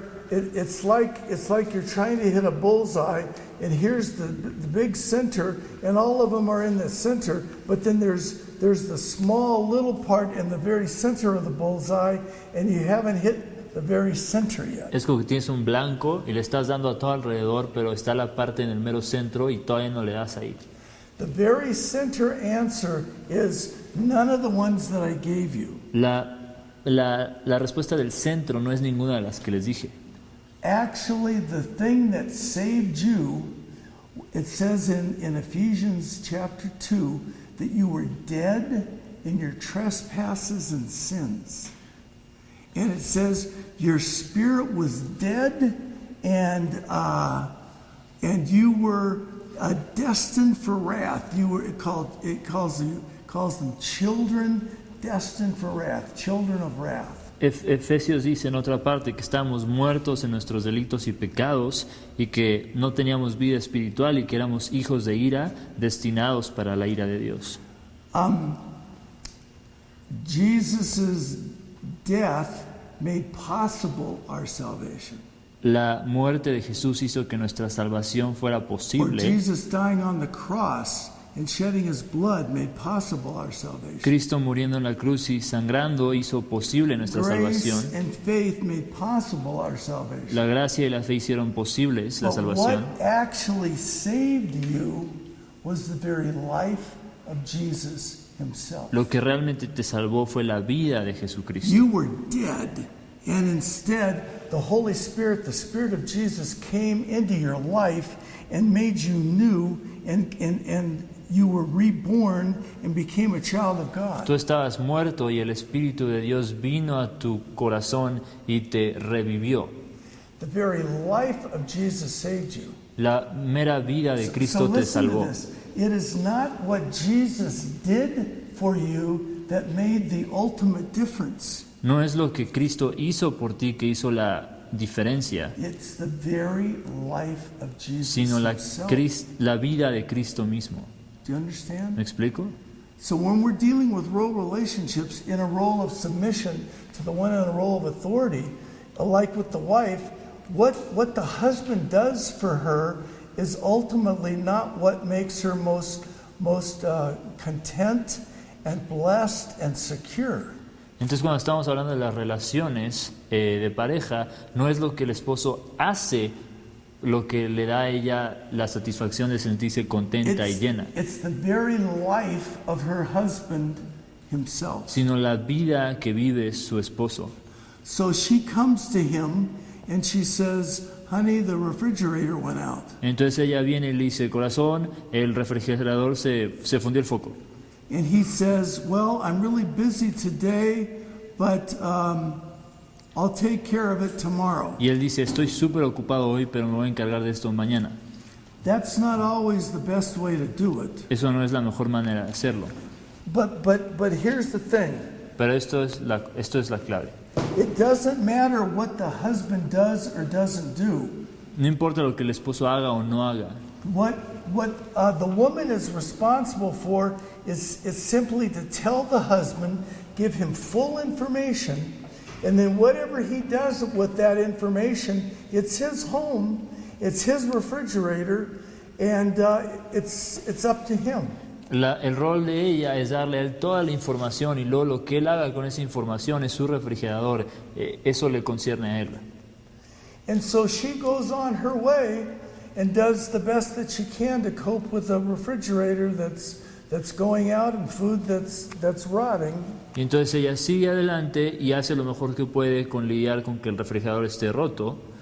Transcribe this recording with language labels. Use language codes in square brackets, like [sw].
[en] It's like you're trying to hit a bullseye, and here's the big center, and all of them are in the center, but then there's the small little part in the very center of the bullseye, and you haven't hit the very center yet. [es] Es como que tienes un blanco y le estás dando a todo alrededor, pero está la parte en el mero centro y todavía no le das ahí. [en] The very center answer is none of the ones that I gave you. [es] La respuesta del centro no es ninguna de las que les dije. [en] Actually, the thing that saved you, it says in Ephesians chapter 2, that you were dead in your trespasses and sins. And it says your spirit was dead and you were destined for wrath. You were it calls them children destined for wrath, children of wrath. [es] Efesios dice en otra parte que estábamos muertos en nuestros delitos y pecados y que no teníamos vida espiritual y que éramos hijos de ira destinados para la ira de Dios. [en] Jesus's death made possible our salvation. [es] La muerte de Jesús hizo que nuestra salvación fuera posible. [en] Or Jesus dying on the cross and shedding his blood made possible our salvation. [es] Cristo muriendo en la cruz y sangrando hizo posible nuestra [en] grace [es] salvación. [en] Grace and faith made possible our salvation. [es] La gracia y la fe hicieron posibles la salvación. [en] But what actually saved you was the very life of Jesus himself. [es] Lo que realmente te salvó fue la vida de Jesucristo. [en] You were dead, and instead the Holy Spirit, the Spirit of Jesus, came into your life and made you new. And you were reborn and became a child of God. [es] Tú estabas muerto y el Espíritu de Dios vino a tu corazón y te revivió. [en] The very life of Jesus saved you. [es] La mera vida de Cristo so te salvó. [en] To this. It is not what Jesus did for you that made the ultimate difference. [es] No es lo que Cristo hizo por ti que hizo la diferencia, [en] it's the very life of Jesus [es] sino la, [en] Christ, [es] la vida de Cristo mismo. [en] Do you understand? [es] ¿Me explico? [en] So when we're dealing with role relationships in a role of submission to the one in a role of authority, like with the wife, what the husband does for her is ultimately not what makes her most content and blessed and secure. [es] Entonces, cuando estamos hablando de las relaciones de pareja, no es lo que el esposo hace lo que le da a ella la satisfacción de sentirse contenta y llena. [en] It's the very life of her husband himself. [es] Sino la vida que vive su esposo. [en] So she comes to him and she says, "Honey, the refrigerator went out." [es] Entonces ella viene y le dice, "Corazón, el refrigerador se fundió el foco." [en] And he says, "Well, I'm really busy today, but I'll take care of it tomorrow." [es] Y él dice, "Estoy súper ocupado hoy, pero me voy a encargar de esto mañana." [en] That's not always the best way to do it. [es] Eso no es la mejor manera de hacerlo. [en] But here's the thing. [es] Pero esto es la clave. [en] It doesn't matter what the husband does or doesn't do. [es] No importa lo que el esposo haga o no haga. [en] What the woman is responsible for is simply to tell the husband, give him full information, and then whatever he does with that information, it's his home, it's his refrigerator, and it's up to him. [es] El rol de ella es darle a él toda la información y luego lo que él haga con esa información es su refrigerador. Eso le concierne a él. [en] And so she goes on her way and does the best that she can to cope with a refrigerator that's going out and food that's rotting. [es] Y entonces ella sigue adelante y hace lo mejor que puede con lidiar con que el refrigerador esté roto.